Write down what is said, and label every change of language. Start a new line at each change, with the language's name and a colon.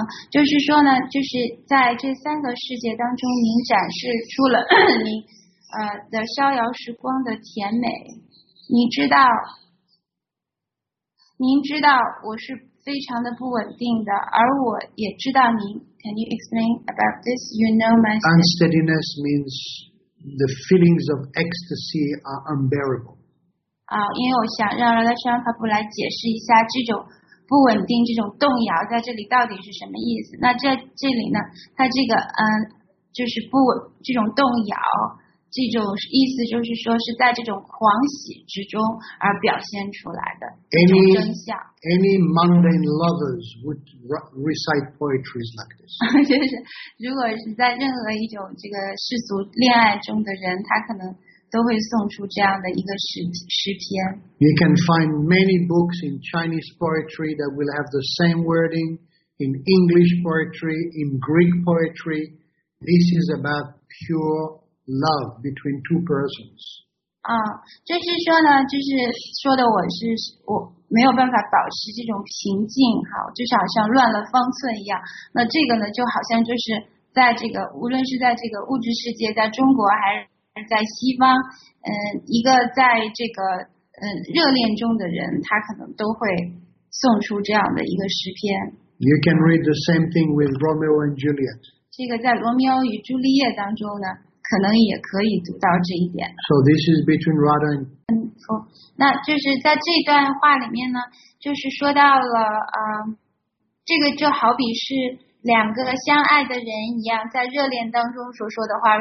Chinese: 就是说呢，就是在这三个世界当中，您展示出了您的逍遥时光的甜美，你知道。您知道我是非常的不稳定的，而我也知道您。
English: Can you explain about this? You know my state. Unsteadiness means the feelings of ecstasy are unbearable.
Chinese: 因为我想让拉达沙帕布来解释一下这种不稳定、这种动摇在这里到底是什么意思。那在这里呢，它这个就是不稳、这种动摇、这种意思就是说是在这种狂喜之中而表现出来的这种真相。
English: Any mundane lovers would recite poetry like this.
Chinese: 就是如果是在任何一种这个世俗恋爱中的人，他可能都会送出这样的一个诗篇。
English: You can find many books in Chinese poetry that will have the same wording in English poetry, in Greek poetry. This is about pure. Love between two persons.
Chinese: 就是说呢，就是说的我没有办法保持这种平静，好，就是好像乱了方寸一样。那这个呢，就好像就是在这个，无论是在这个物质世界，在中国还是在西方，一个在这个热恋中的人，他可能都会送出这样的一个诗篇。
English: You can read the same thing with Romeo and Juliet.
Chinese: 这个在《罗密欧与朱丽叶》当中呢。可能也可以读到这一点。
English: So this is between Radha and.
Chinese: 那就是在这段话里面呢，就是说到了这个就好比是两个相爱的人一样，在热恋当中所说的话。